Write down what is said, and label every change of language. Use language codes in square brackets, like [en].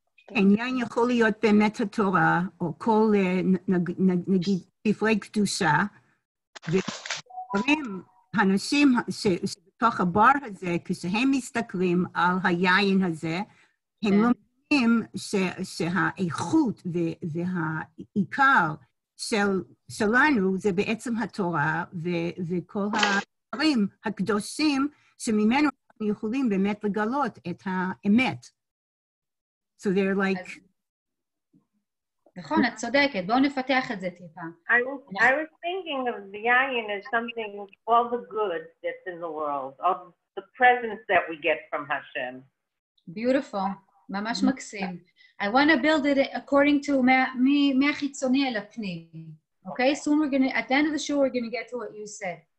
[he] עניין יכול להיות באמת התורה, או כל, נגיד, ספרי קדושה, ודברים, הנשים שבתוך הבר הזה, כשהם מסתכלים על היין הזה, הם לומדים שהאיכות והעיקר שלנו זה בעצם התורה, וכל הדברים הקדושים שממנו אנחנו יכולים באמת לגלות את האמת. [en] So they're like... [he] נכון, את צודקת, בואו נפתח את זה טיפה. [en] I was thinking of the yayin as something, all the good that's in the world, all the presence that we get from Hashem. Beautiful, [he] ממש מקסים. [en] I want to build it according to [he] מהחיצוני אל הפנים. [en] Okay, soon we're going to, at the end of the show, we're going to get to what you said.